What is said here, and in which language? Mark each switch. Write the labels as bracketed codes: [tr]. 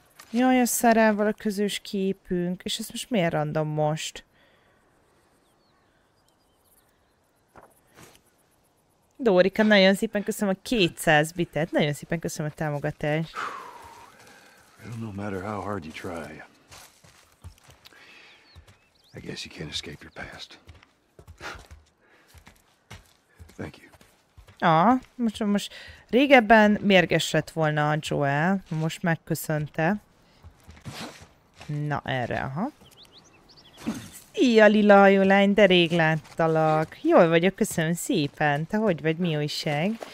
[hu] Jaj, a Sarával a közös képünk, és ez most miért random most? Dórika, nagyon szépen köszönöm a 200 bitet. Nagyon szépen köszönöm a támogatást. [en] Well, no matter how hard you try, I guess you can't escape your past. Thank you. [hu] Most régebben mérges lett volna a Joel, most megköszönte. Na erre, aha. Szia, lila jó lány, de rég láttalak. Jól vagyok, köszönöm szépen. Te hogy vagy, mi újság?